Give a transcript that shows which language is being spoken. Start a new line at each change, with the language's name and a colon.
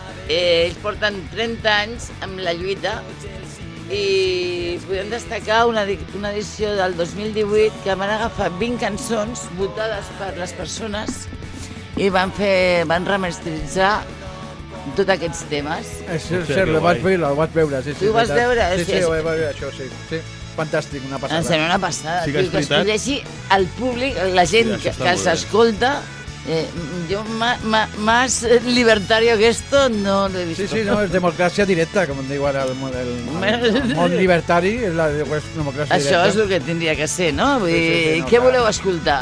Catalan: Ells porten 30 anys amb la lluita i podem destacar una edició del 2018 que van agafar 20 cançons votades per les persones i van remasteritzar tots aquests temes. És cert, ho vaig veure, sí, sí. Tu ho vas veure? Sí, sí, ho vaig veure, això, sí. Fantàstic, una passada. Em sembla una passada. Sí, que es escolleixi el públic, la gent sí, que els escolta.
Spanish: Jo, más libertario que esto, no lo he visto.
Catalan: Sí, sí, no, és democràcia directa, com en diu ara el món libertari, és la democràcia això Això és el que tindria que ser, no? Vull dir, sí, sí, sí, no, què voleu escoltar?